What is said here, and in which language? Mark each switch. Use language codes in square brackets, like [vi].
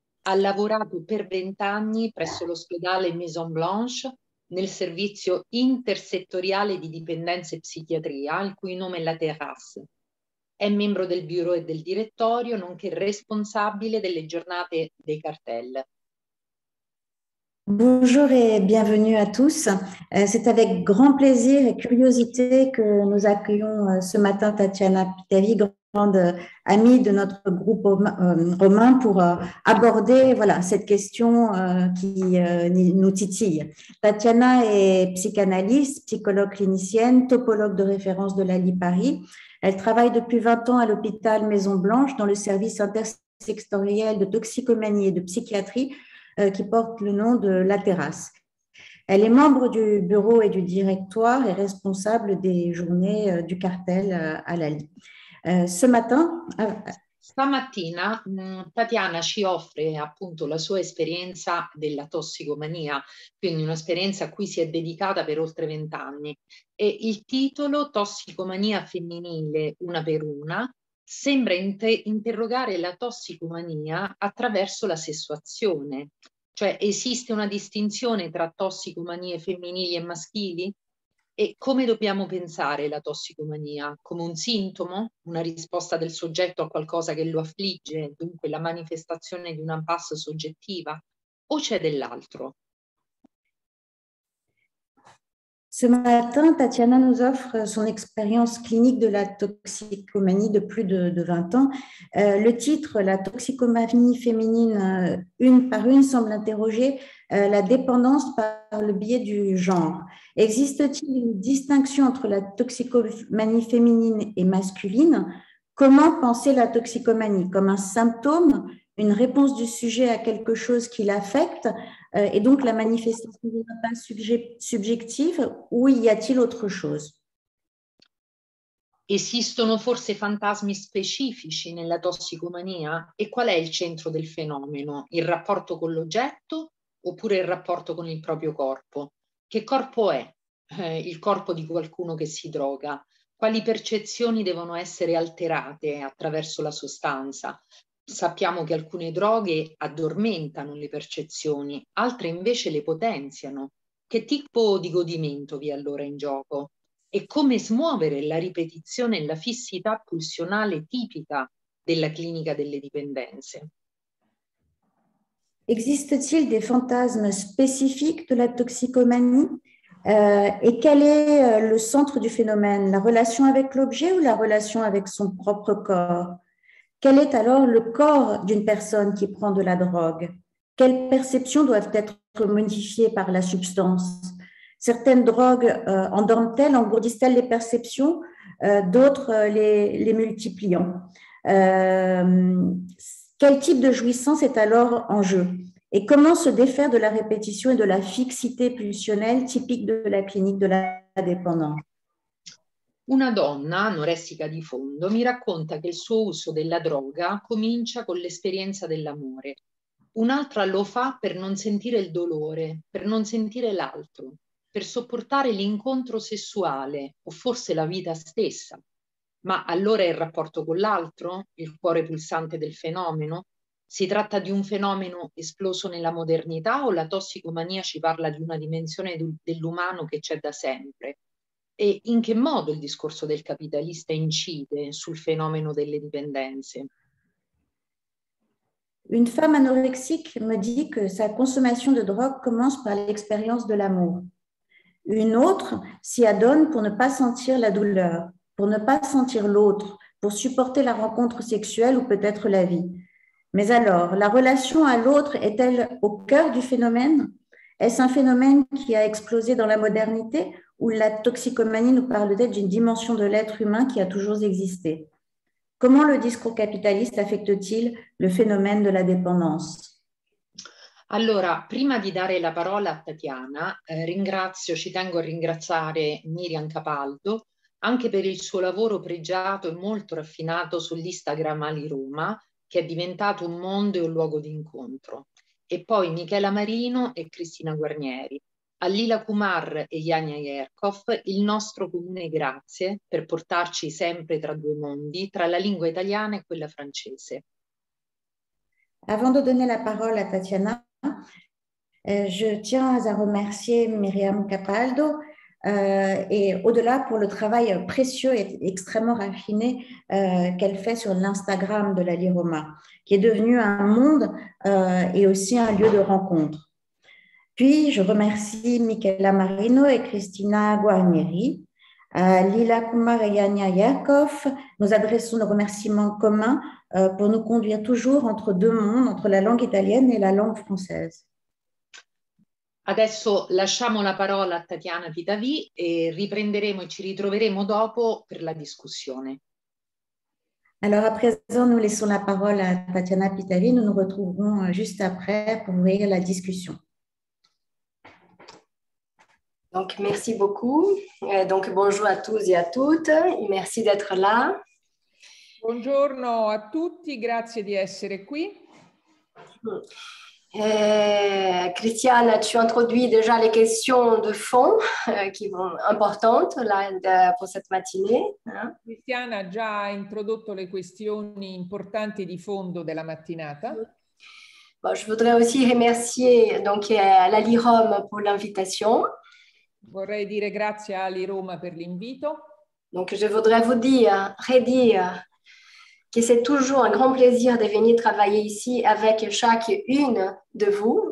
[it] Ha lavorato per 20 anni presso l'ospedale Maison Blanche nel servizio intersettoriale di dipendenze e psichiatria, il cui nome è la Terrasse. È membro del bureau e del direttorio, nonché responsabile delle giornate dei cartel. [fr] Bonjour et bienvenue à tous. C'est avec grand plaisir et curiosité que nous accueillons ce matin Tatiana Pitavi, grande amie de notre groupe romain, pour aborder voilà, cette question qui nous titille. Tatiana est psychanalyste, psychologue clinicienne, topologue de référence de l'ALI Paris. Elle travaille depuis 20 ans à l'hôpital Maison Blanche dans le service intersectoriel de toxicomanie et de psychiatrie. Qui porte le nom de La Terrasse. Elle est membre du bureau et du directoire et responsable des journées du cartel à l'ALI. Ce matin. [it] Stamattina Tatiana ci offre appunto la sua esperienza della tossicomania, quindi un'esperienza a cui si è dedicata per oltre 20 anni. E il titolo Tossicomania femminile, una per una, sembra interrogare la tossicomania attraverso la sessuazione. Cioè, esiste una distinzione tra tossicomanie femminili e maschili? E come dobbiamo pensare la tossicomania? Come un sintomo? Una risposta del soggetto a qualcosa che lo affligge, dunque la manifestazione di una impasse soggettiva? O c'è dell'altro? [fr] Ce matin, Tatiana nous offre son expérience clinique de la toxicomanie de plus de 20 ans. Le titre, La toxicomanie féminine, une par une, semble interroger la dépendance par le biais du genre. Existe-t-il une distinction entre la toxicomanie féminine et masculine? Comment penser la toxicomanie comme un symptôme, une réponse du sujet à quelque chose qui l'affecte? Et donc la manifestation d'une impasse subjective, ou y a-t-il autre chose? [it] Esistono forse fantasmi specifici nella tossicomania? E qual è il centro del fenomeno? Il rapporto con l'oggetto oppure il rapporto con il proprio corpo? Che corpo è, il corpo di qualcuno che si droga? Quali percezioni devono essere alterate attraverso la sostanza? Sappiamo che alcune droghe addormentano le percezioni, altre invece le potenziano. Che tipo di godimento vi è allora in gioco? E come smuovere la ripetizione e la fissità pulsionale tipica della clinica delle dipendenze? [fr] Existe-t-il des fantasmes spécifiques de la toxicomanie? Et quel est le centre du phénomène? La relation avec l'objet ou la relation avec son propre corps? Quel est alors le corps d'une personne qui prend de la drogue? Quelles perceptions doivent être modifiées par la substance? Certaines drogues endorment-elles, engourdissent-elles les perceptions, d'autres les multipliant? Quel type de jouissance est alors en jeu? Et comment se défaire de la répétition et de la fixité pulsionnelle typique de la clinique de la dépendance? [it] Una donna, anoressica di fondo, mi racconta che il suo uso della droga comincia con l'esperienza dell'amore. Un'altra lo fa per non sentire il dolore, per non sentire l'altro, per sopportare l'incontro sessuale o forse la vita stessa. Ma allora è il rapporto con l'altro, il cuore pulsante del fenomeno? Si tratta di un fenomeno esploso nella modernità o la tossicomania ci parla di una dimensione dell'umano che c'è da sempre? E in che modo il discorso del capitalista incide sul fenomeno delle dipendenze? [fr] Une femme anorexique me dit que sa consommation de drogue commence par l'expérience de l'amour. Une autre s'y adonne pour ne pas sentir la douleur, pour ne pas sentir l'autre, pour supporter la rencontre sexuelle ou peut-être la vie. Mais alors, la relation à l'autre est-elle au cœur du phénomène? Est-ce un phénomène qui a explosé dans la modernité où la toxicomanie nous parle-t-elle d'une dimension de l'être humain qui a toujours existé? Comment le discours capitaliste affecte-t-il le phénomène de la dépendance? [it] Allora, prima di dare la parola a Tatiana, ci tengo a ringraziare Miriam Capaldo anche per il suo lavoro pregiato e molto raffinato sull'Instagram Ali Roma, che è diventato un mondo e un luogo di incontro. E poi Michela Marino e Cristina Guarnieri, a Lila Kumar e Yanya Yerkov, il nostro comune grazie per portarci sempre tra due mondi, tra la lingua italiana e quella francese. [fr] Avant de donner la parole à Tatiana, je tiens à remercier Myriam Capaldo et au-delà pour le travail précieux et extrêmement raffiné qu'elle fait sur l'Instagram de l'Ali Roma, qui est devenu un monde et aussi un lieu de rencontre. Puis, je remercie Michela Marino et Cristina Guarnieri, Lila Kumar et Yanya Yerkov. Nous adressons nos remerciements communs pour nous conduire toujours entre deux mondes, entre la langue italienne et la langue française. [it] Adesso lasciamo la parola a Tatiana Vitavi e riprenderemo e ci ritroveremo dopo per la discussione. [fr] Alors, à présent, nous laissons la parole à Tatiana Pitavi. Nous nous retrouverons juste après pour ouvrir la discussion. Donc, merci beaucoup. Donc, bonjour à tous et à toutes. Merci d'être là. [it] Buongiorno a tutti, grazie di essere qui. [fr] Christiane, tu introduis déjà les questions de fond qui vont importantes là, pour cette matinée. [it] Christiane a già introdotto le questioni importanti di fondo della mattinata. [fr] Bon, je voudrais aussi remercier donc l'Ali Rome pour l'invitation. [it] Vorrei dire grazie a Ali Roma per l'invito. [fr] Donc, je voudrais vous dire, redire. [it] Che c'è [fr] toujours un grand plaisir [it] di venire [fr] travailler ici avec chacune de vous.